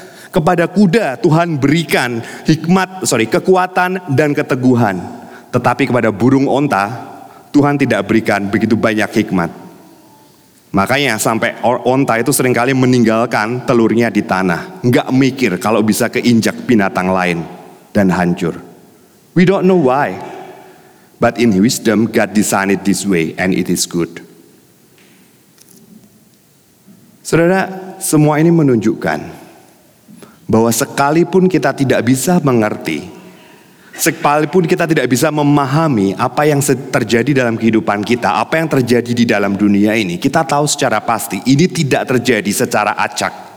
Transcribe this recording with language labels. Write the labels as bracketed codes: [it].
[id] Kepada kuda Tuhan berikan kekuatan dan keteguhan. Tetapi kepada burung unta Tuhan tidak berikan begitu banyak hikmat. Makanya sampai unta itu seringkali meninggalkan telurnya di tanah. Enggak mikir kalau bisa keinjak binatang lain dan hancur. [en] We don't know why. But in wisdom, God designed it this way, and it is good. [id] Saudara, semua ini menunjukkan bahwa sekalipun kita tidak bisa mengerti, sekalipun kita tidak bisa memahami apa yang terjadi dalam kehidupan kita, apa yang terjadi di dalam dunia ini, kita tahu secara pasti, ini tidak terjadi secara acak.